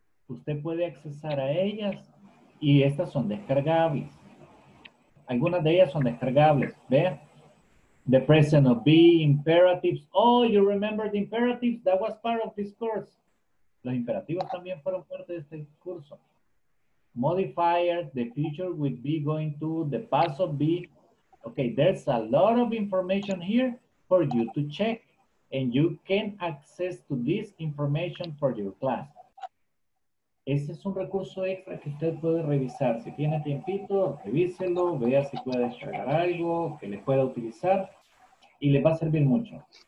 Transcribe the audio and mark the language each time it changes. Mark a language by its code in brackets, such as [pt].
[es] Usted puede accesar a ellas y estas son descargables. Algunas de ellas son descargables, vea. [en] The present of be, imperatives. [es] Oh, you remember the imperatives? That was part of this course. Los imperativos también fueron parte de este curso. [en] Modifiers, the future with be going to, the past of be. Okay, there's a lot of information here for you to check. And you can access to this information for your class. [es] Ese es un recurso extra que usted puede revisar. Si tiene tiempito, revíselo, vea si puede descargar algo que le pueda utilizar y le va a servir mucho.